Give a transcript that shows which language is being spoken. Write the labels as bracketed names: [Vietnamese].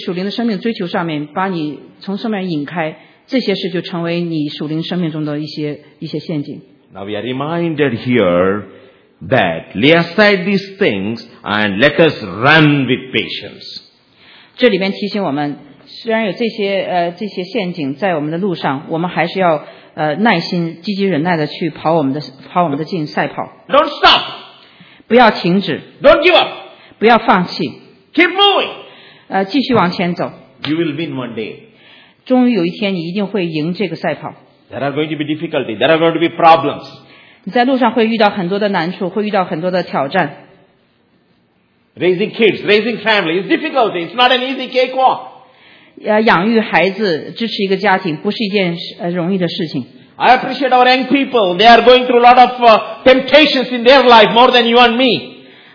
[Chinese] 那些我们可以看到，不管是哪些事，这些事情如果把你从神的读神的话语上面，对属灵的生命追求上面，把你从上面引开。这些事就成为你属灵生命中的一些陷阱。 [English] Now we are reminded here that lay aside these things and let us run with patience. [Chinese] 这里面提醒我们，虽然有这些陷阱在我们的路上，我们还是要耐心、积极忍耐的去跑我们的竞赛跑。 [English] Don't stop. [Chinese] 不要停止。 [English] Don't give up. [Chinese] 不要放弃。 [English] Keep moving. [Chinese] 继续往前走。 [English] You will win one day. [Chinese] 终于有一天，你一定会赢这个赛跑。 [English] There are going to be difficulty. There are going to be problems. [Chinese] 你在路上会遇到很多的难处，会遇到很多的挑战。 [English] Raising kids, raising family is difficult. It's not an easy cakewalk. [Chinese] 养育孩子，支持一个家庭，不是一件容易的事情。 [English] I appreciate our young people. They are going through a lot of temptations in their life more than you and me.